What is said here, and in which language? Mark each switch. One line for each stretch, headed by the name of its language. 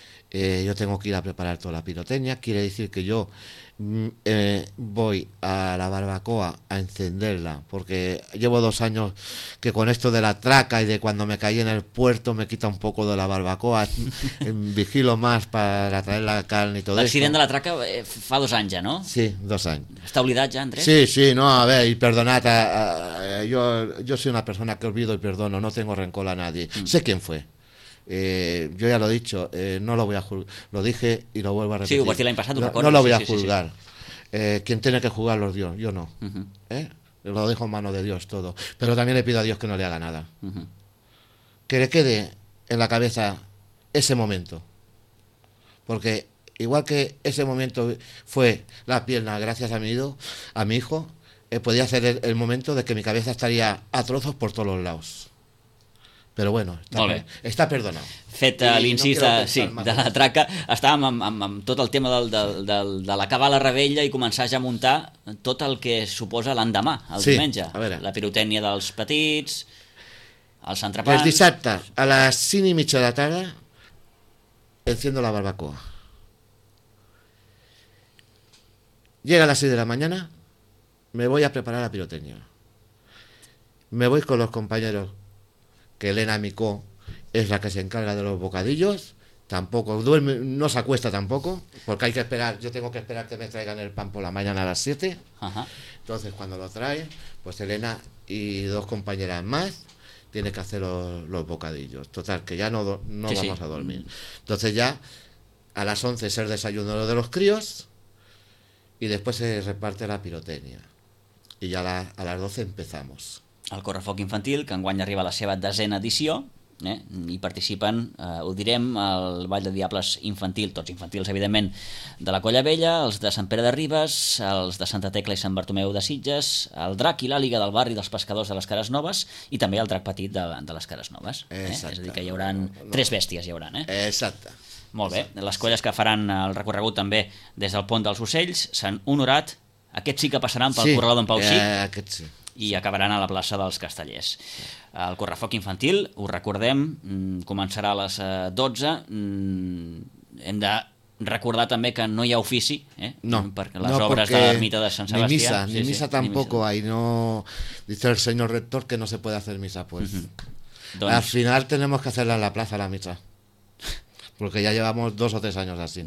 Spanish: Yo tengo que ir a preparar toda la piroteña. Quiere decir que yo voy a la barbacoa a encenderla, porque llevo 2 años que con esto de la traca y de cuando me caí en el puerto me quita un poco de la barbacoa. Vigilo más para traer la carne y todo eso.
Catalan: L'accident de la traca fa 2 anys ja, no? Sí, 2 anys. Està oblidat ja, Andrés?
Spanish: Sí, sí, no, a ver, y perdonad, yo soy una persona que olvido y perdono, no tengo rencor a nadie. Sé quién fue. Yo ya lo he dicho, no lo voy a juzgar. Lo dije y lo vuelvo a repetir. Sí, porque el año pasado, no lo voy a juzgar. Quien tiene que juzgar los dios, yo no. Uh-huh. Lo dejo en manos de Dios todo. Pero también le pido a Dios que no le haga nada. Uh-huh. Que le quede en la cabeza ese momento. Porque igual que ese momento fue la pierna, gracias a mi hijo, podía ser el momento de que mi cabeza estaría a trozos por todos los lados.
Catalan: Però bueno, està perdonat. Fet l'incís de la traca, estàvem amb tot el tema de l'acabar la revetlla i començar ja a muntar tot el que suposa l'endemà, el diumenge. La pirotècnia dels petits, els entrepans... El dissabte, a les 5 i mitja de la tarda,
Spanish: enciendo la barbacoa. Llega a les 6 de la mañana, me voy a preparar la pirotècnia. Me voy con los compañeros, que Elena Micó es la que se encarga de los bocadillos, tampoco duerme, no se acuesta tampoco, porque hay que esperar, yo tengo que esperar que me traigan el pan por la mañana a las 7. Entonces cuando lo traen, pues Elena y dos compañeras más tienen que hacer los bocadillos. Total, que ya no vamos a dormir. Entonces ya a las 11 es el desayuno de los críos y después se reparte la pirotecnia. Y ya a las 12 empezamos.
Catalan: El Correfoc Infantil, que enguany arriba a la seva desena edició, hi participen, ho direm, el Ball de Diables Infantil, tots infantils, evidentment, de la Colla Vella, els de Sant Pere de Ribes, els de Santa Tecla i Sant Bartomeu de Sitges, el Drac i l'Àliga del Barri dels Pescadors de les Cares Noves i també el Drac Petit de les Cares Noves. Exacte. És a dir, que hi haurà tres bèsties, hi haurà. Exacte. Molt bé. Exacte. Les colles que faran el recorregut també des del Pont dels Ocells s'han honorat. Aquests sí que passaran pel corral d'en Pau Xic. Aquests sí. I acabaran a la plaça dels Castellers. El Correfoc Infantil, ho recordem, començarà a les 12. Hem de recordar també que no hi ha ofici, No, per les no, obres de l'ermita de Sant Sebastià.
Spanish: Ni missa, sí, ni missa tampoco hay. No, dice el señor rector que no se puede hacer misa, pues. Doncs... Al final tenemos que hacerla en la plaza, la misa. Porque ya llevamos 2 o 3 años así.